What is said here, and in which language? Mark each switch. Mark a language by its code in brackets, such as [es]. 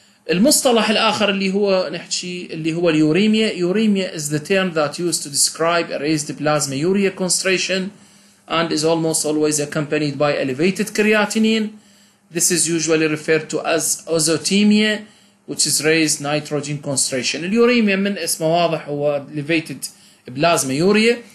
[ar] المصطلح الاخر اللي هو نحكي اللي هو اليوريميا. [en] Uremia is the term that used to describe a raised plasma urea concentration and is almost always accompanied by elevated creatinine. This is usually referred to as azotemia, which is raised nitrogen concentration. [ar] اليوريميا من اسمه واضح هو [en] elevated plasma urea.